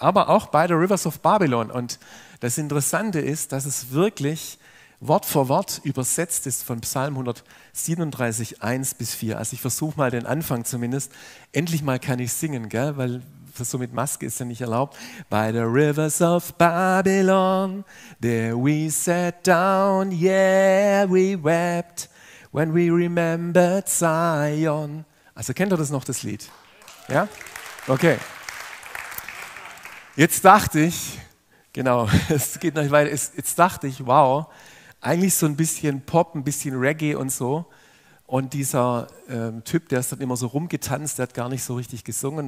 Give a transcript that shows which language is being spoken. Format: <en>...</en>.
<de>Aber auch bei The Rivers of Babylon. Und das Interessante ist, dass es wirklich Wort für Wort übersetzt ist von Psalm 137, 1 bis 4. Also ich versuche mal den Anfang zumindest. Endlich mal kann ich singen, gell? Weil so mit Maske ist ja nicht erlaubt.</de> <en>By the rivers of Babylon, there we sat down, yeah, we wept, when we remembered Zion.</en> <de>Also kennt ihr das noch, das Lied? Ja? Okay. Jetzt dachte ich, genau, es geht noch weiter, jetzt dachte ich, wow, eigentlich so ein bisschen Pop, ein bisschen Reggae und so. Und dieser Typ, der ist dann immer so rumgetanzt, der hat gar nicht so richtig gesungen.</de>